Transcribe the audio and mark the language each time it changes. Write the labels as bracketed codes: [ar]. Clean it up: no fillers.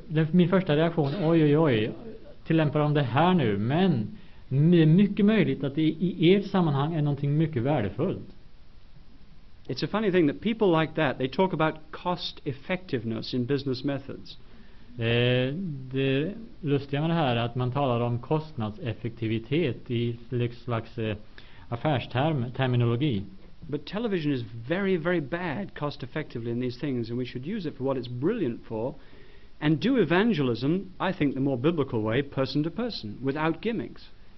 [sv] Min första reaktion, oj oj oj, tillämpar de det här nu. Men det är mycket möjligt att i ert sammanhang är någonting mycket värdefullt. [en] It's a funny thing that people like that, they talk about cost effectiveness in business methods. [sv] Det lustiga med det här är att man talar om kostnadseffektivitet i slags affärsterminologi. [en] But television is very, very bad cost effectively in these things, and we should use it for what it's brilliant for and do evangelism, I think the more biblical way, person to person, without gimmicks.